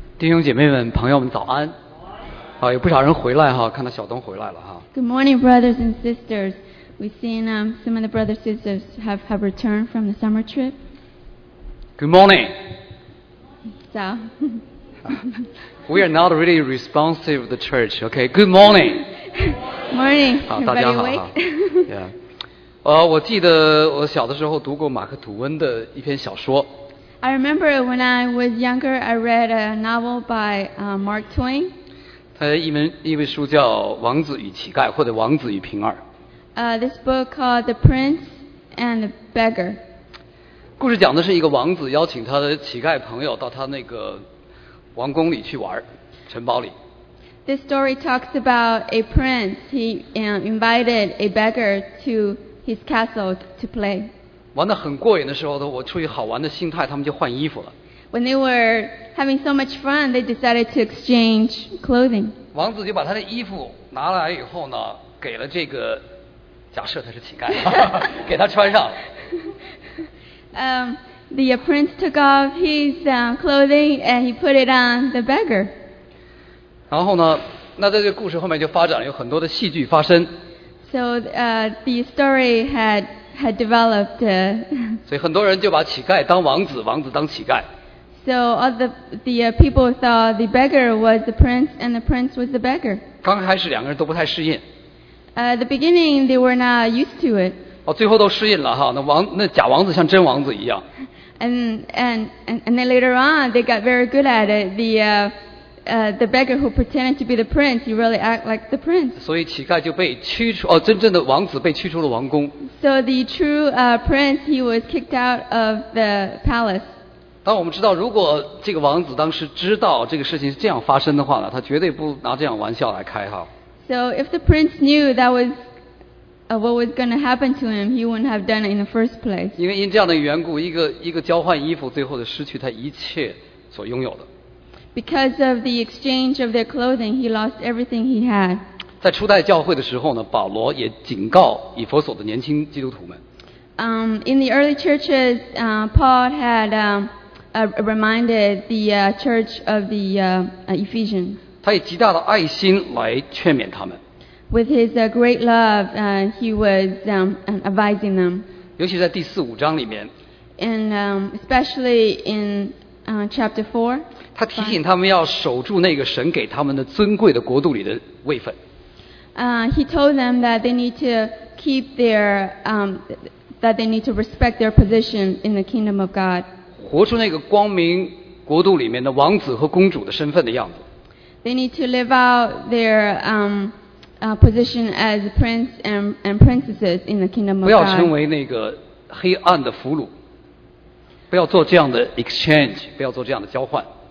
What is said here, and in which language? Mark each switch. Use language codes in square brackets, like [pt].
[zh] 弟兄姐妹们，朋友们，早安！好，有不少人回来哈，看到小东回来了哈。 [en] Good morning, brothers and sisters. We've seen some of the brothers and sisters have returned from the summer trip. Good morning. [zh] 早。 [en] We are not really responsive to the church. Okay. Good morning. Morning. [zh] 好，大家好。 [en] Yeah. [zh] 我记得我小的时候读过马克吐温的一篇小说。 [en] I remember when I was younger, I read a novel by Mark Twain. [zh] 他一本书叫《王子与乞丐》或者《王子与平儿》。 [en] This book called The Prince and the Beggar. [zh] 故事讲的是一个王子邀请他的乞丐朋友到他那个王宫里去玩，城堡里。 [en] This story talks about a prince. He invited a beggar to his castle to play. [zh] 玩得很过瘾的时候，我出于好玩的心态，他们就换衣服了。 [en] When they were having so much fun, they decided to exchange clothing. [zh] 王子就把他的衣服拿来以后呢，给了这个，假设他是乞丐，给他穿上。 [en] The prince took off his clothing and he put it on the beggar. [zh] 然后呢，那在这个故事后面就发展了有很多的戏剧发生。 [en] So the story had developed. [zh] 所以很多人就把乞丐当王子，王子当乞丐。 [en] So all the people thought the beggar was the prince and the prince was the beggar. [zh] 刚开始两个人都不太适应。 [en] The beginning they were not used to it. [zh] 最后都适应了哈，那假王子像真王子一样。 [en] And then later on they got very good at it. The beggar who pretended to be the prince, he really act like the prince. [zh] 所以乞丐就被驱逐，真正的王子被驱逐了王宫。 [en] So the true prince, he was kicked out of the palace. [zh] 但我们知道，如果这个王子当时知道这个事情是这样发生的话呢，他绝对不拿这样玩笑来开哈。 [en] So if the prince knew that was what was going to happen to him, he wouldn't have done it in the first place. [zh] 因这样的缘故，一个交换衣服，最后的失去他一切所拥有的。 [en] Because of the exchange of their clothing, he lost everything he had. [zh] 在初代教会的时候呢，保罗也警告以弗所的年轻基督徒们。 [en] In the early churches, Paul had reminded the church of the Ephesians. [zh] 他以极大的爱心来劝勉他们。 [en] With his great love, he was advising them. [zh] 尤其在第四五章里面。 [en] And especially in chapter 4. [zh] 他提醒他们要守住那个神给他们的尊贵的国度里的位分。 [en] He told them that they need to keep their that they need to respect their position in the kingdom of God. [zh] 活出那个光明国度里面的王子和公主的身份的样子。 [en] They need to live out their position as prince and princesses in the kingdom of God. [zh] 不要成为那个黑暗的俘虏，不要做这样的 exchange， 不要做这样的交换。